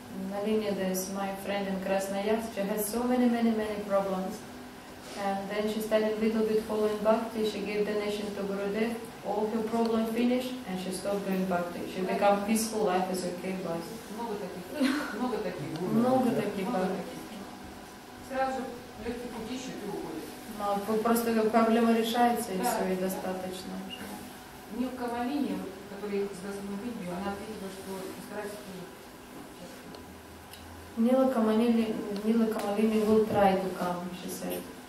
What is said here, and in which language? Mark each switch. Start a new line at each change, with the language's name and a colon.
English: Nalini, this my friend in Krasnoyarsk, she has so many problems. And then she started a little bit following bhakti, she gave donation to Gurudev, all her problem finished, and she stopped doing bhakti. She became peaceful, life is okay, but...
Russian: Много таких. Много таких. Сразу легкий путь ищут и уходят. Ну, просто проблема решается, и все, и достаточно. Ни в Кавалине, которая их связана в видео, она ответила, что старайся не...
English: Нила Камалини will try to come, she said.